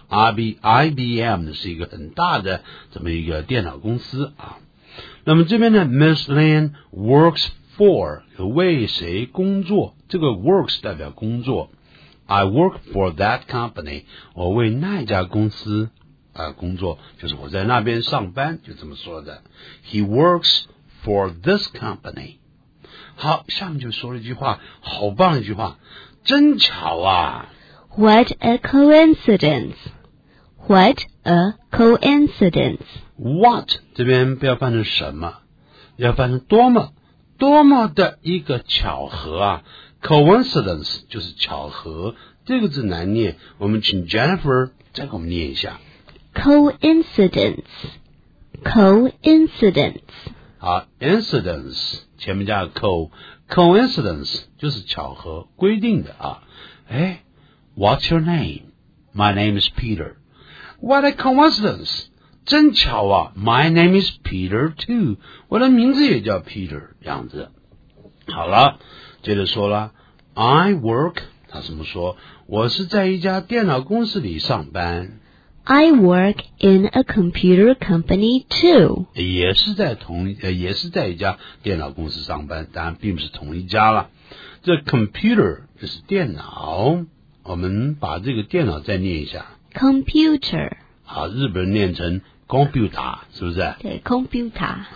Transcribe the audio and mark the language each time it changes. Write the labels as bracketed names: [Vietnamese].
[Chinese] IBM 是一个很大的这么一个电脑公司啊。那么这边呢 ， [English] Miss Lin works for [Chinese] 为谁工作？这个 works 代表工作。 [English] I work for that company. [Chinese] 我为那家公司工作，就是我在那边上班，就这么说的。 [English] He works for this company. [Chinese] 好，下面就说了一句话，好棒一句话。真巧啊 [English] What a coincidence. What a coincidence. [Chinese] What 这边不要翻成什么，要翻成多么多么的一个巧合啊。 Coincidence 就是巧合，这个字难念，我们请 Jennifer 再给我们念一下 [English] Coincidence. Coincidence. [Chinese] 好， incidence 前面加个 co，Coincidence 就是巧合，规定的啊。 [English] 哎 ，What's your name? My name is Peter. What a coincidence! [Chinese] 真巧啊 [English] ！My name is Peter too. [Chinese] 我的名字也叫 Peter， 这样子。好了，接着说了。 [English] I work， [Chinese] 他怎么说？我是在一家电脑公司里上班。 [English] I work in a computer company too. [Chinese] 也是在一家电脑公司上班，当然并不是同一家了。这 computer 就是电脑，我们把这个电脑再念一下。 [English] Computer. [Chinese] 好，日本人念成 computer， 是不是？对 ，computer。